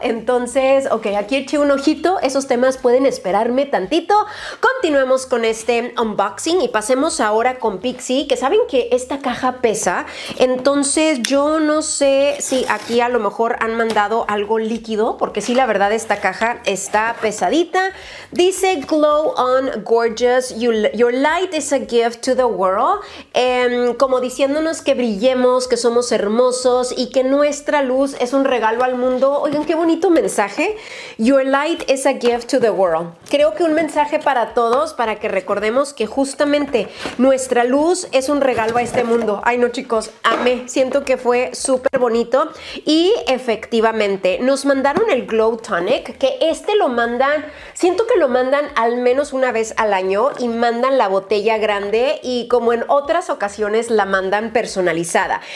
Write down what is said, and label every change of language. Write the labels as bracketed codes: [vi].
[es] Entonces, ok, aquí eché un ojito, esos temas pueden esperarme tantito. Continuemos con este unboxing y pasemos ahora con Pixi, que saben que esta caja pesa, entonces yo no sé si aquí a lo mejor han mandado algo líquido, porque sí, la verdad, esta caja está pesadita. [en] Dice Glow On Gorgeous, your light is a gift to the world. [es] Como diciéndonos que brillemos, que somos hermosos y que nuestra luz es un regalo al mundo. Oigan, qué bonito mensaje. [en] Your light is a gift to the world. [es] Creo que un mensaje para todos, para que recordemos que justamente nuestra luz es un regalo a este mundo. Ay, no, chicos, amé. Siento que fue súper bonito. Y efectivamente, nos mandó. Mandaron el Glow Tonic, que este lo mandan, siento que lo mandan al menos una vez al año y mandan la botella grande y como en otras ocasiones la mandan personalizada.